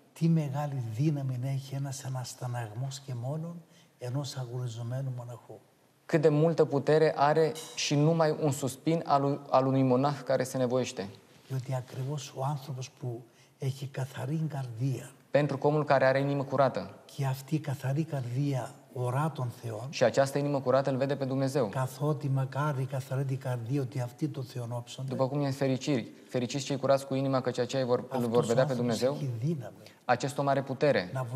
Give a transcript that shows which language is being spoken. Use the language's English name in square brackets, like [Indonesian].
[Greek] τι μεγάλη δύναμη έχει ένας αναστεναγμός και μόνον ενός αγουριζωμένου μοναχού. [Romanian] Cât de multă putere are și numai un suspin al unui monah care se nevoiește. [Greek] Γιατί ακριβώς ο άνθρωπος που έχει καθαρή καρδία. [Romanian] Pentru omul care are inimă curată. [Greek] Και αυτή η καθαρή καρδία ορά τον Θεό. [Romanian] Și această inimă curată îl vede πε Dumnezeu. [Greek] Καθότι μακάρι καθαρή την καρδία ότι αυτή το Θεόν όψονται. [Romanian] După cum e fericiri. Fericiți cei curați cu inima, căci aceia îl vor vedea pe Dumnezeu. Acest om are putere.